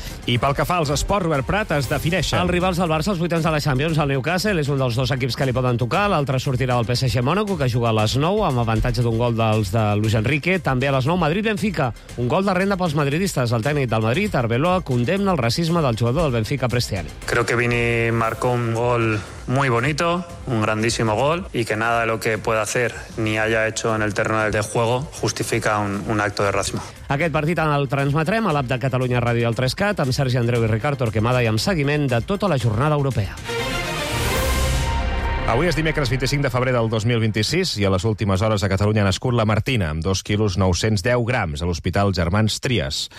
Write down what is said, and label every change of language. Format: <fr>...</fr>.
<ca>I pel que fa als esports, Robert Prat, es defineixen. Els rivals del Barça, els vuitens de la Champions, el Newcastle és un dels dos equips que li poden tocar. L'altre sortirà del PSG Mònaco, que juga a les 9 amb avantatge d'un gol dels de Luis Enrique. També a les 9, Madrid-Benfica. Un gol de renda pels madridistes. El tècnic del Madrid, Arbeloa, condemna el racisme del jugador del Benfica, Prestiani.</ca> <es>Creo que Vini marcó un gol muy bonito, un grandísimo gol, y que nada de lo que pueda hacer ni haya hecho en el terreno de juego justifica un acto de racismo.</es> <ca>Aquest partit en el transmetrem a l'app de Catalunya Ràdio i el 3CAT amb Sergi Andreu i Ricard Torquemada i amb seguiment de tota la jornada europea. Avui és dimecres 25 de febrer del 2026 i a les últimes hores a Catalunya ha nascut la Martina amb 2,910 kg a l'Hospital Germans Trias.</ca>